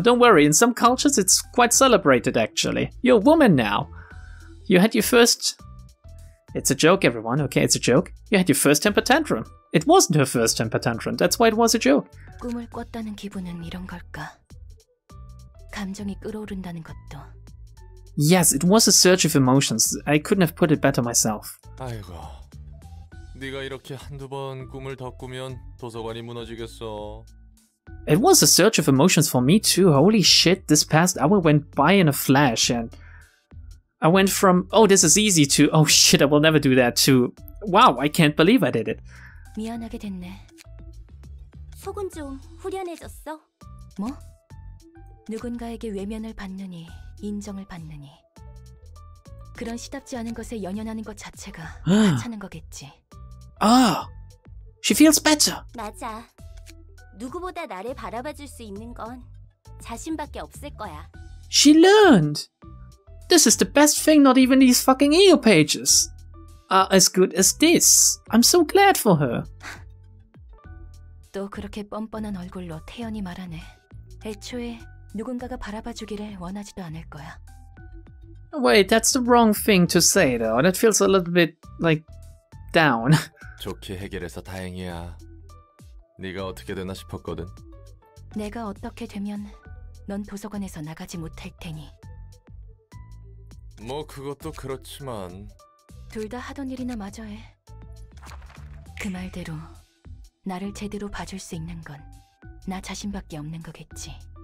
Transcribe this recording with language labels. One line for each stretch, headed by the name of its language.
English: Don't worry, in some cultures it's quite celebrated actually. You're a woman now. You had your first... It's a joke, everyone, okay, it's a joke. You had your first temper tantrum. It wasn't her first temper tantrum, that's why it was a joke.
Korean: 꿈을 꿨다는 기분은 이런 걸까? 감정이 끓어오른다는 것도.
English: Yes, it was a surge of emotions. I couldn't have put it better myself.
Korean: 아이고, 네가 이렇게 한두 번 꿈을 더 꾸면 도서관이 무너지겠어.
English: It was a surge of emotions for me too. Holy shit, this past hour went by in a flash, and I went from, oh, this is easy, to, oh shit, I will never do that, to, wow, I can't believe I did it.
Korean: 미안하게 됐네. 속은 좀 후련해졌어? 뭐? 누군가에게 외면을 받느니, 인정을 받느니. 그런 시답지 않은 것에 연연하는 것 자체가 하찮은 거겠지.
English: 아, she feels better.
Korean: 맞아. 누구보다 나를 바라봐줄 수 있는 건 자신밖에 없을 거야.
English: She learned. This is the best thing not even these fucking EO pages are as good as this. I'm so glad for her.
Korean: 또 그렇게 뻔뻔한 얼굴로 태연이 말하네. 애초에 누군가가 바라봐주기를 원하지도 않을 거야.
English: Wait, that's the wrong thing to say though, and it feels a little bit, like, down.
Korean: 좋게 해결해서 다행이야. 네가 어떻게 되나 싶었거든. 내가 어떻게 되면 넌 도서관에서 나가지 못할 테니. 뭐 그것도 그렇지만. 둘 다 하던 일이나 마저 해. 그 말대로 나를 제대로 봐줄 수 있는 건 나 자신밖에 없는 거겠지.